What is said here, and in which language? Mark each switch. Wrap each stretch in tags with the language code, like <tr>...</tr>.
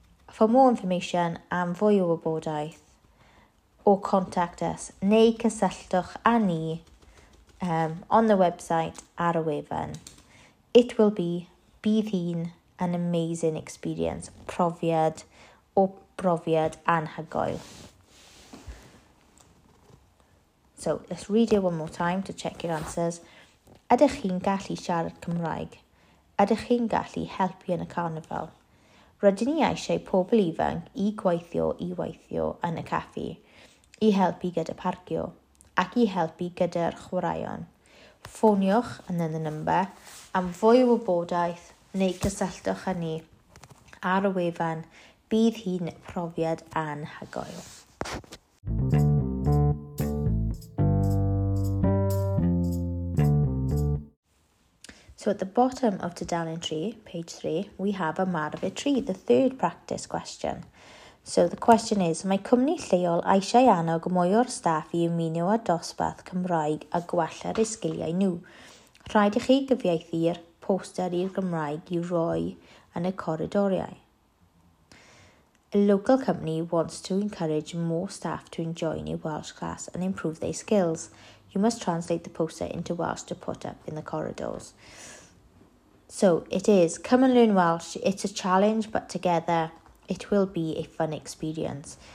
<en>For more information</en> <cy>am fwy o wybodaeth,</cy> <en>or contact us,</en> <cy>neu cysylltwch â ni</cy> <en>on the website</en> <cy>ar y wefan.</cy> <en>It will be</en> <cy>bydd hi'n</cy> <en>an amazing experience,</en> <cy>profiad o brofiad anhygoel.</cy> <en>So, let's read it one more time to check your answers.</en> <cy>Ydych chi'n gallu siarad Cymraeg? Ydych chi'n gallu helpu yn y carnifal? Rydyn ni eisiau pobl ifanc i weithio yn y caffi, i helpu gyda parcio, ac i helpu gyda'r chwaraeon. Ffoniwch yn</cy> <en>the number</en> <cy>am fwy o wybodaeth neu cysylltwch â ni ar y wefan, bydd hi'n profiad anhygoel.</cy> <en>So at the bottom of</en> <cy>tudalen 3,</cy> <en>page 3, we have</en> <cy>ymarfer 3,</cy> <en>the third practice question. So the question is,</en> <cy>mae cwmni lleol eisiau annog mwy o'r staff i ymuno â dosbarth Cymraeg a gwella'r sgiliau nhw. Rhaid i chi gyfieithu'r poster i'r Gymraeg i roi yn y corridoriau.</cy> <en>A local company wants to encourage more staff to join a Welsh class and improve their skills. You must translate the poster into Welsh to put up in the corridors. So it is, come and learn Welsh. It's a challenge, but together it will be a fun experience.</en>